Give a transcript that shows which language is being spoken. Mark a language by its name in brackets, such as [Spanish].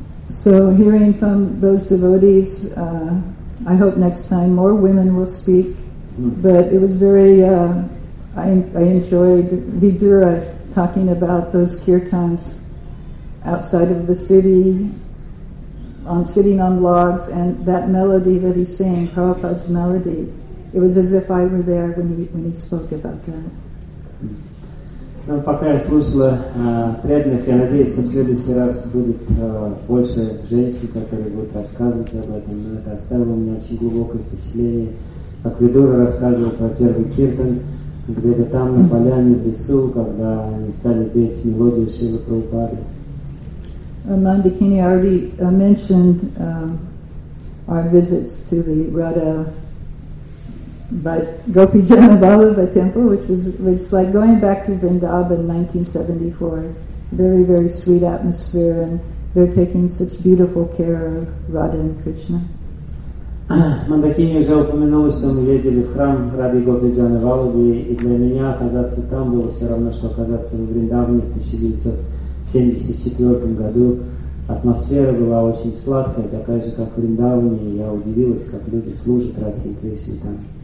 [English] So, hearing from those devotees, I hope next time more women will speak, but it was very, I enjoyed Vidura talking about those kirtans outside of the city, on sitting on logs, and that melody that he sang, Prabhupada's melody, it was as if I were there when he spoke about that. [Russian] Ну, пока я слушала преданных, я надеюсь, что в следующий раз будет больше женщин, которые будут рассказывать об этом. Но это оставило мне очень глубокое впечатление, как Видура рассказывал про первый киртан. Где-то там, на поляне, в лесу, когда они стали петь мелодию Шрилы Прабхупады. [English] Mandakini already mentioned our visits to the Radha Gopi Janabalava temple, which was like going back to Vrindavan in 1974. Very, very sweet atmosphere, and they're taking such beautiful care of Radha and Krishna. [Russian] Мандакини уже упомянула, что мы ездили в храм Рады Гобиджана Валуби, и для меня оказаться там было все равно, что оказаться в Вриндавне в 1974 году. Атмосфера была очень сладкая, такая же, как в Вриндавне, и я удивилась, как люди служат Радхе Кришне там.